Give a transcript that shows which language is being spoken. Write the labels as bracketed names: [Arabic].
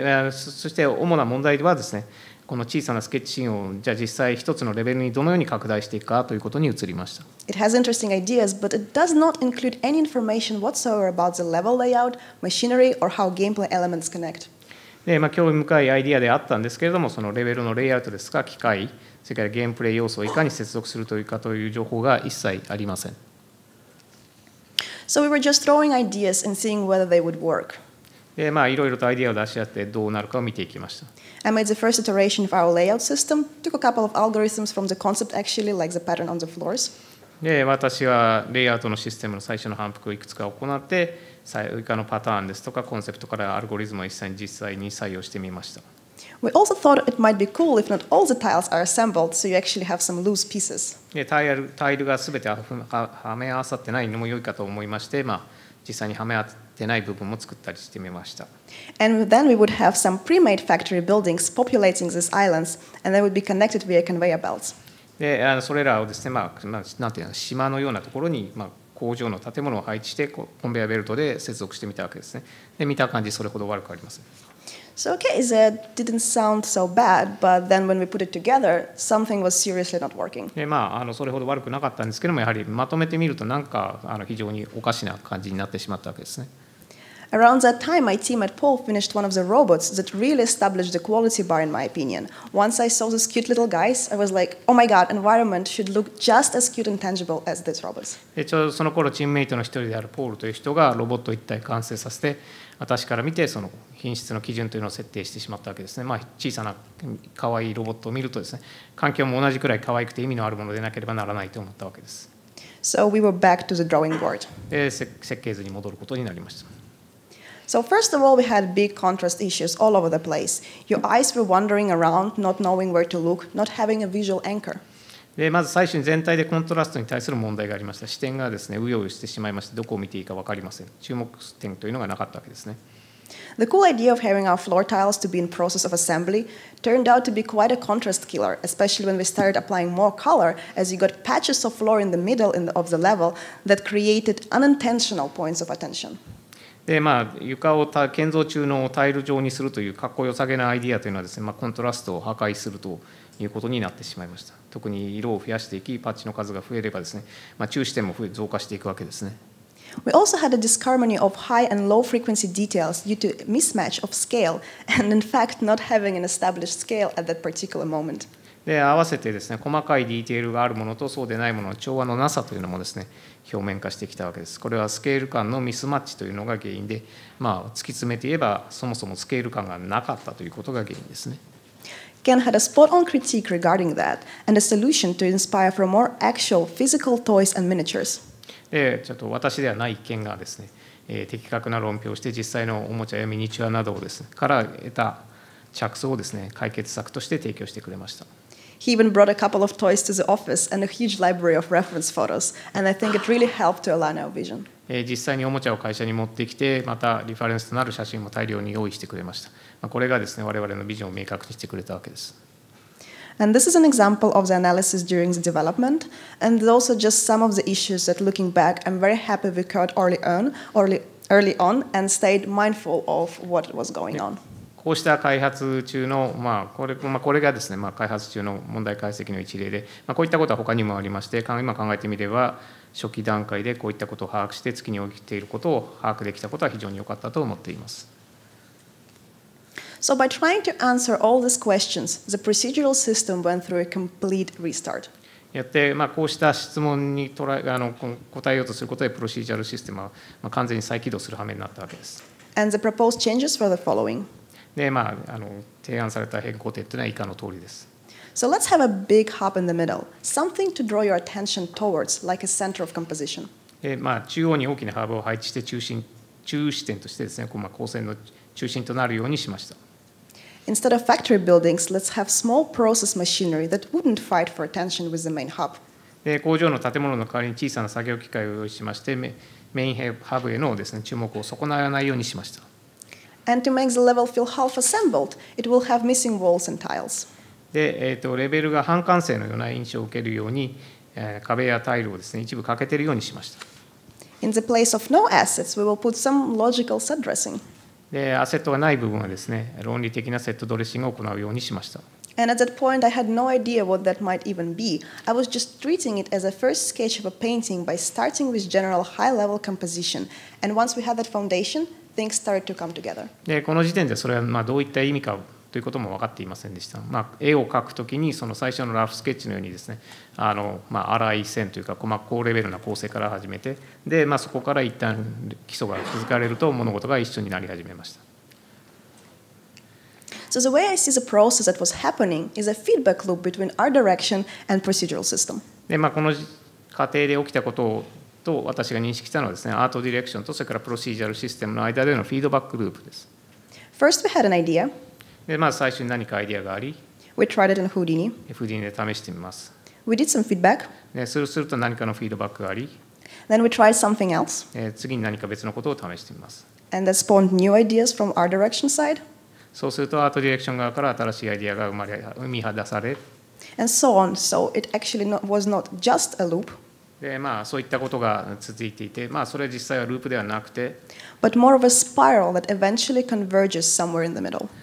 [Japanese] そして主な問題はですね、この小さなスケッチシーンを、じゃあ実際一つのレベルにどのように拡大していくかということに移りました。 [English] It has interesting ideas, but it does not include any information whatsoever about the level layout, machinery, or how gameplay elements connect. [Japanese] でまあ、興味深いアイデアであったんですけれども、そのレベルのレイアウトですか、機械、それからゲームプレイ要素をいかに接続するというかという情報が一切ありません。 [English] So we were just throwing ideas and seeing whether they would work. [Japanese] で、まあ、いろいろとアイデアを出し合ってどうなるかを見ていきました。 [English] I made the first iteration of our layout system, took a couple of algorithms from the concept actually, like the pattern on the floors. [Japanese] で、私はレイアウトのシステムの最初の反復をいくつか行って、床のパターンですとかコンセプトからアルゴリズムを実際に採用してみました。 [English] We also thought it might be cool if not all the tiles are assembled, so you actually have some loose pieces. [Japanese] タイルがすべてはめ合わさってないのも良いかと思いまして、まあ、実際にはめ合ってない部分も作ったりしてみました。 [English] And then we would have some pre-made factory buildings populating these islands, and they would be connected via conveyor belts. [Japanese] で、それらをですね、まあ、なんていうの、島のようなところに、まあ、工場の建物を配置してコンベアベルトで接続してみたわけですね。で、見た感じそれほど悪くありません。 [English] So okay, so it didn't sound so bad, but then when we put it together, something was seriously not working. [Japanese] で、まあ、それほど悪くなかったんですけども、やはりまとめてみるとなんか非常におかしな感じになってしまったわけですね。 [English] Around that time, my team at Paul finished one of the robots that really established the quality bar, in my opinion. Once I saw this cute little guys, I was like, oh my god, environment should look just as cute and tangible as these robots. [Japanese] ちょうどその頃、チームメイトの一人であるポールという人がロボット一体完成させて、私から見てその品質の基準というのを設定してしまったわけですね。まあ、小さな可愛いロボットを見るとですね、環境も同じくらい可愛くて意味のあるものでなければならないと思ったわけです。 [English] So we were back to the drawing board. [Japanese] で、設計図に戻ることになりました。 [English] So first of all, we had big contrast issues all over the place. Your eyes were wandering around, not knowing where to look, not having a visual anchor. [Japanese] で、まず最初に全体でコントラストに対する問題がありました。視点がですね、うようよしてしまいまして、どこを見ていいか分かりません。注目点というのがなかったわけですね。 [English] The cool idea of having our floor tiles to be in process of assembly turned out to be quite a contrast killer, especially when we started applying more color, as you got patches of floor in the middle of the level that created unintentional points of attention. [Japanese] でまあ、床を建造中のタイル状にするというかっこよさげなアイディアというのはですね、まあ、コントラストを破壊するということになってしまいました。特に色を増やしていき、パッチの数が増えればですね、まあ、中視点も増加していくわけですね。 [English] We also had a disharmony of high and low frequency details due to mismatch of scale and in fact not having an established scale at that particular moment. [Japanese] で、合わせてですね、細かいディテールがあるものとそうでないものの調和のなさというのもですね、表面化してきたわけです。これはスケール感のミスマッチというのが原因で、まあ、突き詰めて言えばそもそもスケール感がなかったということが原因ですね。 [English] Ken had a spot-on critique regarding that and a solution to inspire for more actual physical toys and miniatures. [Japanese] で、ちょっと私ではない Ken がですね、的確な論評をして実際のおもちゃやミニチュアなどをですね、から得た着想をですね、解決策として提供してくれました。 [English] He even brought a couple of toys to the office and a huge library of reference photos, and I think it really helped to align our vision. [Japanese] 実際におもちゃを会社に持ってきて、またリファレンスとなる写真も大量に用意してくれました。これがですね、我々のビジョンを明確にしてくれたわけです。 [English] And this is an example of the analysis during the development, and also just some of the issues that looking back, I'm very happy we caught early on and stayed mindful of what was going on. [Japanese] こうした開発中の、まあ これがですね、まあ、開発中の問題解析の一例で、まあ、こういったことは他にもありまして、今考えてみれば、初期段階でこういったことを把握して、月に起きていることを把握できたことは非常に良かったと思っています。 [English] So by trying to answer all these questions, the procedural system went through a complete restart. [Japanese] やって、まあ、こうした質問に答えようとすることで、プロシージャルシステムは完全に再起動する羽目になったわけです。 [English] And the proposed changes for the following. [Japanese] でまあ、提案された変更点というのは以下の通りです。 [English] So let's have a big hub in the middle. Something to draw your attention towards, like a center of composition. [Japanese] で、まあ、中央に大きなハーブを配置して中視点としてですね、まあ、構成の中心となるようにしました。 [English] Instead of factory buildings, let's have small process machinery that wouldn't fight for attention with the main hub. [Japanese] で、工場の建物の代わりに小さな作業機械を用意しまして、メインハーブへのですね、注目を損なわないようにしました。 [English] And to make the level feel half assembled, it will have missing walls and tiles. [Japanese] で、レベルが半完成のような印象を受けるように、壁やタイルをですね、一部欠けているようにしました。 [English] In the place of no assets, we will put some logical set dressing. [Japanese] で、アセットがない部分はですね、論理的なセットドレッシングを行うようにしました。 [English] And at that point, I had no idea what that might even be. I was just treating it as a first sketch of a painting by starting with general high-level composition. And once we had that foundation,Things started to come together. [Japanese] でこの時点でそれはまあどういった意味かということも分かっていませんでした。まあ、絵を描くときにその最初のラフスケッチのようにですね、まあ、粗い線というか高レベルな構成から始めて、でまあ、そこから一旦基礎が築かれると物事が一緒になり始めました。 [English] So the way I see the process that was happening is a feedback loop between our direction and procedural system. [Japanese] で、まあ、この過程で起きたことをと私が認識したのはですね、アートディレクションとそれからプロシージャルシステムの間でのフィードバックループです。 [English] First, we had an idea. [Japanese] で、まず最初に何かアイデアがあり、 [English] We tried it in Houdini. [Japanese] Houdini で試してみます。 [English] We did some feedback. [Japanese] で、すると何かのフィードバックがあり、 [English] Then we tried something else. [Japanese] で、次に何か別のことを試してみます。 [English] And that spawned new ideas from our direction side. [Japanese] そうするとアートディレクション側から新しいアイデアが生み出され、 [English] And so on. So it actually was not just a loop. [Japanese] で、まあ、そういったことが続いていて、まあ、それは実際はループではなくて、 [English] But more of a spiral that eventually converges somewhere in the middle.